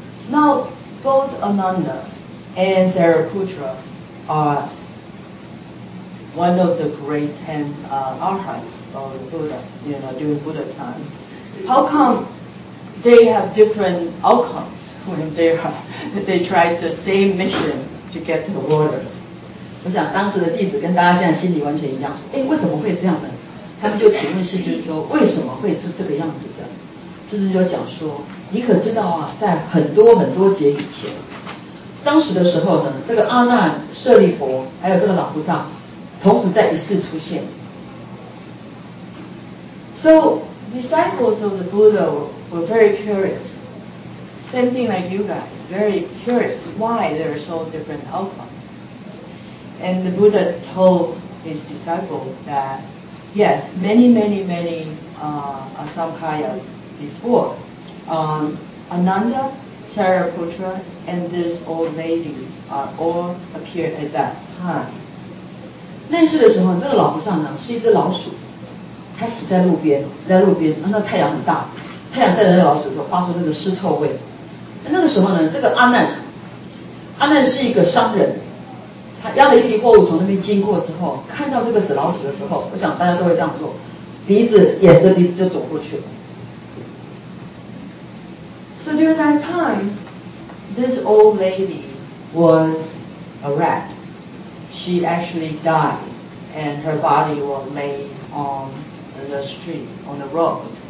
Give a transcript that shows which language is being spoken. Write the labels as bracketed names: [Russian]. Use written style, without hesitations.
[English] Now, both Ananda and Sariputra are one of the great 10 arhats of the Buddha, during Buddha time. How come they have different outcomes when they try the same mission to get the water? [Chinese] 我想当时的弟子跟大家现在心里完全一样，诶，为什么会这样呢？他们就请问师尊说，为什么会是这个样子的？师尊就讲说，你可知道啊，在很多很多劫以前，当时的时候呢，这个阿难、舍利弗还有这个老和尚同时在一世出现。 [English] So disciples of the Buddha were very curious, same thing like you guys, very curious why there are so different outcomes. And the Buddha told his disciples that yes, many asankhaya before. Ananda, Sariputra, and these old ladies are all appeared at that time. [Chinese] 那时的时候，这个老和尚呢是一只老鼠，他死在路边，死在路边。那太阳很大，太阳晒着老鼠的时候，发出那个尸臭味。那个时候呢，这个阿难是一个商人，他押了一批货物从那边经过之后，看到这个死老鼠的时候，我想大家都会这样做，鼻子沿着鼻子就走过去了。 [English] So during that time, this old lady was a rat. She actually died, and her body was laid on the street, on the road.